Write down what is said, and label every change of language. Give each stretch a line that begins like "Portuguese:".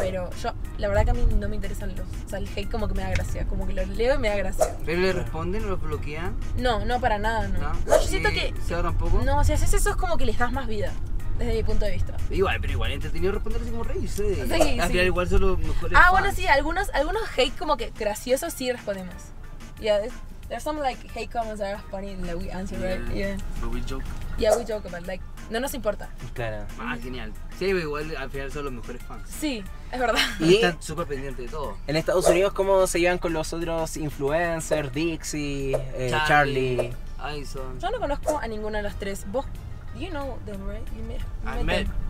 Spanish: Pero yo, la verdad que a mí no me interesan los, o sea, el hate como que me da gracia, como que lo leo y me da gracia. ¿Pero le responden o lo bloquean? No, para nada, no. No, yo siento que... ¿Se ahora tampoco? No, si haces eso es como que les das más vida. Desde mi punto de vista. Igual, pero igual entretenido responder así como reírse. Sí. Al final igual son los mejores fans. Bueno, sí, algunos hate como que graciosos sí respondemos.
English: There's some like hate comments that are funny that we answer, right? Yeah. But we joke. Yeah, we joke about like,
Spanish: no nos importa. Claro. Genial. Sí, pero igual al final son los mejores fans. Sí, es verdad. Y están súper pendientes de todo. En Estados Unidos, ¿cómo se llevan con los otros influencers? Dixie, Charlie. Ison. Yo no conozco a ninguno de los tres.
English: Vos, you know them, right? I met